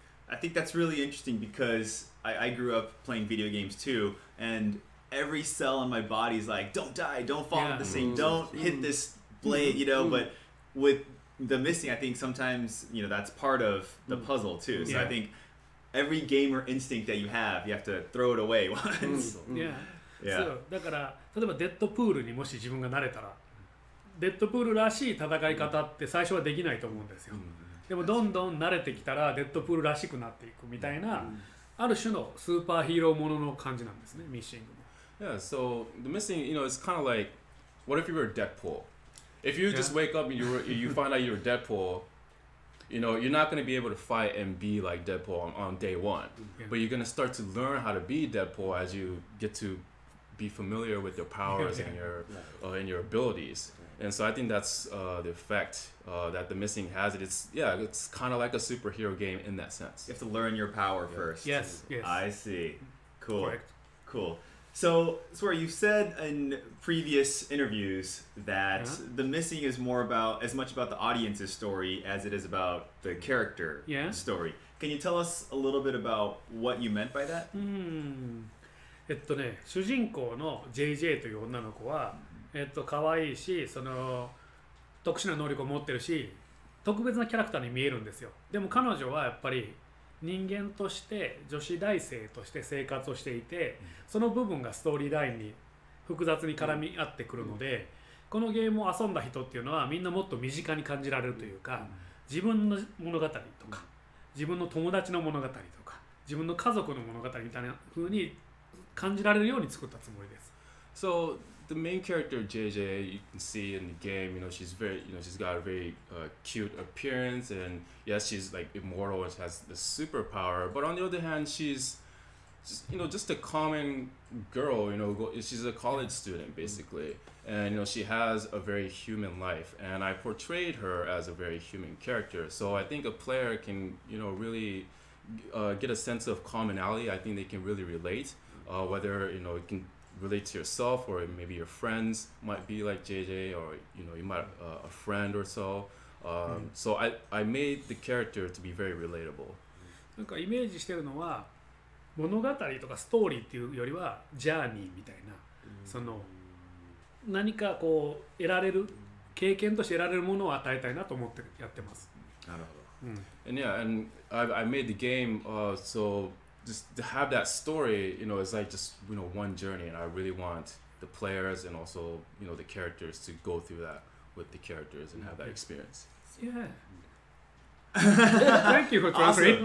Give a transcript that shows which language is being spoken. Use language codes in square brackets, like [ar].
[en] I think that's really interesting because I grew up playing video games too, and every cell in my body is like, don't die, don't fall into the sink, don't hit this blade, you know. But with the missing, I think sometimes, you know, that's part of the puzzle too. So I think every gamer instinct that you have to throw it away once. [ja] だから例えばデッドプールにもし自分がなれたら、デッドプールらしい戦い方って最初はできないと思うんですよ。でもどんどん慣れてきたらデッドプールらしくなっていくみたいな、ある種のスーパーヒーローものの感じなんですね、ミッシングも。 [en] Yeah, so the missing, you know, it's kind of like, what if you were Deadpool? If you just wake up and you find out you're Deadpool, you know, you're not going to be able to fight and be like Deadpool on day one. But you're going to start to learn how to be Deadpool as you get to be familiar with your powers and your abilities. And so I think that's the effect that The Missing has. It's kind of like a superhero game in that sense. You have to learn your power first. Yes, yes. I see. Cool. Correct. Cool. So, Swery, you've said in previous interviews that The Missing is more about, as much about the audience's story as it is about the character story. Can you tell us a little bit about what you meant by that? [ja] ね、主人公の JJ という女の子は、可愛いし、その特殊な能力を持ってるし、特別なキャラクターに見えるんですよ。でも彼女はやっぱり人間として女子大生として生活をしていて、その部分がストーリーラインに複雑に絡み合ってくるので、このゲームを遊んだ人っていうのはみんなもっと身近に感じられるというか、自分の物語とか自分の友達の物語とか自分の家族の物語みたいな風に感じられるように作ったつもりです。 [en] So the main character JJ, you can see in the game, you know, she's very, you know, she's got a very cute appearance, and yes, she's like immortal and has the superpower. But on the other hand, she's, you know, just a common girl. You know, she's a college student basically, and you know, she has a very human life. And I portrayed her as a very human character, so I think a player can, you know, really get a sense of commonality. I think they can really relate. Whether you know, you can relate to yourself, or maybe your friends might be like JJ, or you know, you might have a friend or so. So I made the character to be very relatable. [ja] なんかイメージしてるのは物語とかストーリーっていうよりはジャーニーみたいな、その何かこう得られる経験として得られるものを与えたいなと思ってやってます。なるほど。 [en] And yeah, and I made the game so. Just to have that story, you know, it's like just, you know, one journey, and I really want the players and also, you know, the characters to go through that with the characters and have that experience. Yeah. Thank you for trying.